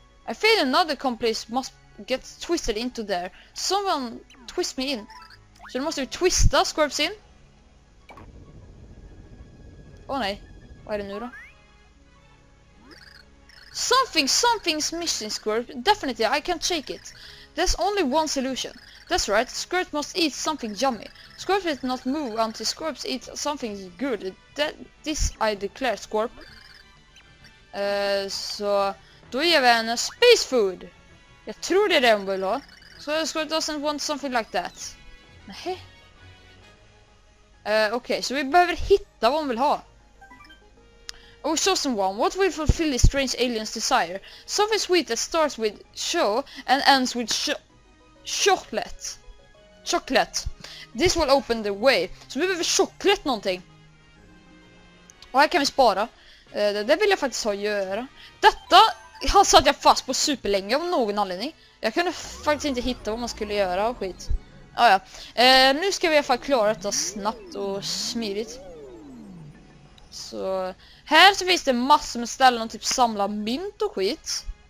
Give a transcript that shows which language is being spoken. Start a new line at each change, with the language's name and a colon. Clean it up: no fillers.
English: I feel another complex must get twisted into there. Someone twist me in.
Swedish: Så nu måste vi twista Scorps in. Åh nej, vad är det nu då?
English: Something's missing, Squirt. Definitely, I can't shake it. There's only one solution. That's right, Squirt must eat something yummy. Squirt will not move until Squirt eats something good. This I declare, Squirt.
Swedish: Så då ger vi henne space food. Jag tror det är det hon vill ha.
English: So Squirt doesn't want something like that.
Swedish: Nej. Okej, så vi behöver hitta vad hon vill ha.
English: Oh, chosen one, what will fulfill this strange alien's desire? Something sweet that starts with show and ends with chocolate. Chocolate. This will open the way.
Swedish: Så vi behöver choklad någonting. Och här kan vi spara. Det vill jag faktiskt ha att göra. Detta har satt jag fast på superlänge av någon anledning. Jag kunde faktiskt inte hitta vad man skulle göra och skit. Ah, ja. Nu ska vi i alla fall klara detta snabbt och smidigt. Så här så finns det massor med ställen att typ samla mynt och skit.